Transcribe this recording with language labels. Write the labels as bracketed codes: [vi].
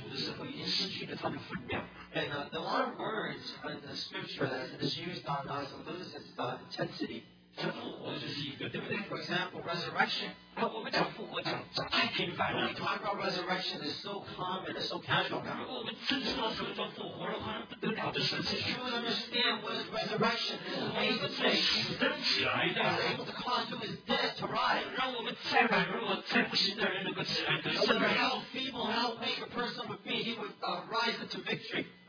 [zh] 圣经上有很多的字在我们的身上用足的时候，已经失去了它的分量。 [en] And a lot of words in the scripture that is used on us loses its intensity. [zh] 复活就是一个，对不对？ [en] For example, resurrection. [zh] 我们讲复活讲太平凡了。 [en] We talk about resurrection is so common, it's so casual now. [zh] 如果我们真知道什么叫复活的话，那不得了的事情。 [en] If you understand what is resurrection, it's amazing. [zh] 是死人起来的。 [en] Able to cause who is dead to rise. [zh] 让我们再软弱、再不行的人能够起来得胜。 [en] Whatever how feeble, how weak a person would be, he would rise into victory.